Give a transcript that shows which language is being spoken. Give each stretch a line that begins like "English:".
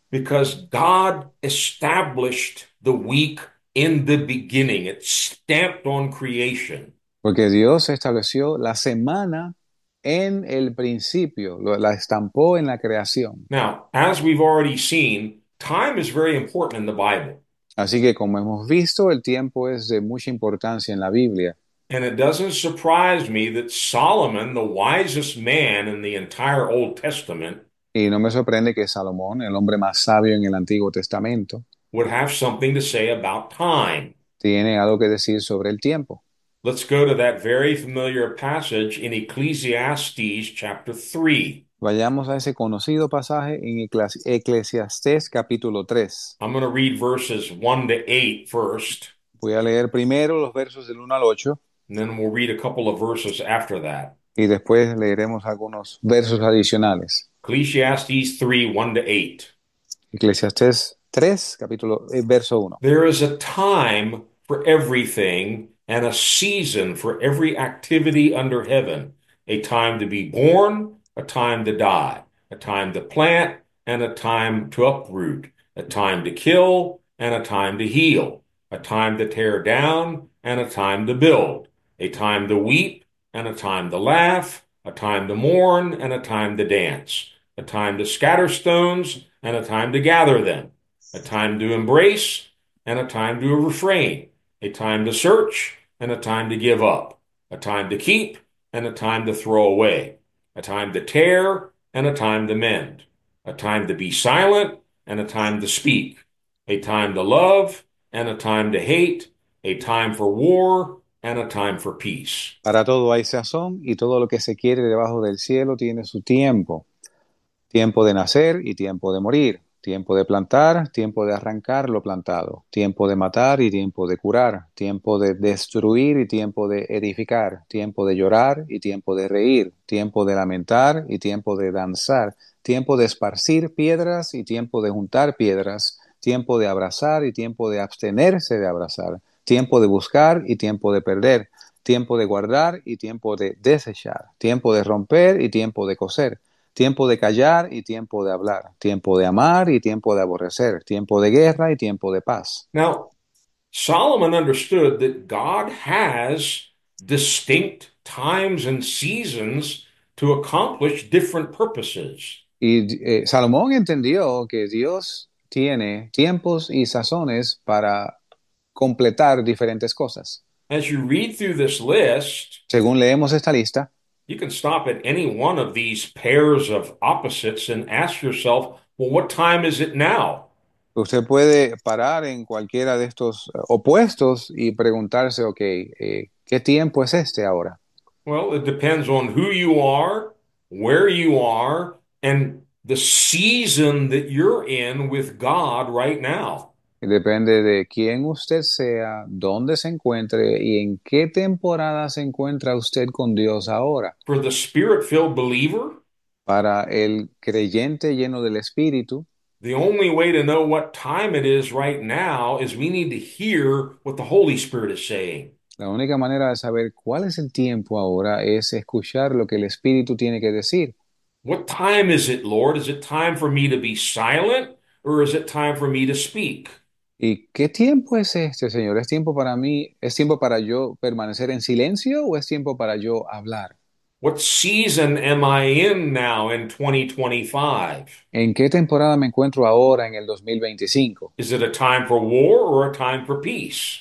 English: Because God established the week in the beginning, it's stamped on creation.
Spanish: Porque Dios estableció la semana en el principio, la estampó en la creación.
English: Now, as we've already seen, time is very important in the Bible.
Spanish: Así que como hemos visto, el tiempo es de mucha importancia en la Biblia.
English: And it doesn't surprise me that Solomon, the wisest man in the entire Old Testament,
Spanish: Y no me sorprende que Salomón, el hombre más sabio en el Antiguo Testamento,
English: would have something to say about time.
Spanish: tiene algo que decir sobre el tiempo.
English: Let's go to that very familiar passage in Ecclesiastes chapter 3.
Spanish: Vayamos a ese conocido pasaje en Eclesiastés capítulo 3.
English: I'm going to read verses 1 to 8 first,
Spanish: Voy a leer primero los versos del 1 al 8
English: and then we'll read a couple of verses after that.
Spanish: y después leeremos algunos versos adicionales.
English: Ecclesiastes 3, 1 to 8.
Spanish: Eclesiastés 3, capítulo, verso 1.
English: There is a time for everything and a season for every activity under heaven. A time to be born, a time to die, a time to plant, and a time to uproot, a time to kill, and a time to heal, a time to tear down, and a time to build, a time to weep, and a time to laugh, a time to mourn, and a time to dance, a time to scatter stones, and a time to gather them, a time to embrace, and a time to refrain, a time to search, and a time to give up, a time to keep, and a time to throw away, a time to tear, and a time to mend, a time to be silent, and a time to speak, a time to love, and a time to hate, a time for war, and a time for peace.
Spanish: Para todo hay sazón y todo lo que se quiere debajo del cielo tiene su tiempo. Tiempo de nacer y tiempo de morir. Tiempo de plantar, tiempo de arrancar lo plantado. Tiempo de matar y tiempo de curar. Tiempo de destruir y tiempo de edificar. Tiempo de llorar y tiempo de reír. Tiempo de lamentar y tiempo de danzar. Tiempo de esparcir piedras y tiempo de juntar piedras. Tiempo de abrazar y tiempo de abstenerse de abrazar. Tiempo de buscar y tiempo de perder. Tiempo de guardar y tiempo de desechar. Tiempo de romper y tiempo de coser. Tiempo de callar y tiempo de hablar. Tiempo de amar y tiempo de aborrecer. Tiempo de guerra y tiempo de paz.
English: Now, Solomon understood that God has distinct times and seasons to accomplish different purposes.
Spanish: Y Salomón entendió que Dios tiene tiempos y sazones para completar diferentes cosas.
English: As you read through this list,
Spanish: Según leemos esta lista,
English: you can stop at any one of these pairs of opposites and ask yourself, well, what time is it now?
Spanish: usted puede parar en cualquiera de estos opuestos y preguntarse, ok, ¿qué tiempo es este ahora?
English: Well, it depends on who you are, where you are, and the season that you're in with God right now.
Spanish: Depende de quién usted sea, dónde se encuentre y en qué temporada se encuentra usted con Dios ahora.
English: For the spirit-filled believer,
Spanish: Para el creyente lleno del Espíritu,
English: the only way to know what time it is right now is we need to hear what the Holy Spirit is saying.
Spanish: la única manera de saber cuál es el tiempo ahora es escuchar lo que el Espíritu tiene que decir.
English: What time is it, Lord? Is it time for me to be silent or is it time for me to speak?
Spanish: ¿Y qué tiempo es este, señor? ¿Es tiempo para mí? ¿Es tiempo para yo permanecer en silencio o es tiempo para yo hablar?
English: What season am I in now in 2025?
Spanish: ¿En qué temporada me encuentro ahora en el 2025?
English: Is it a time for war or a time for peace?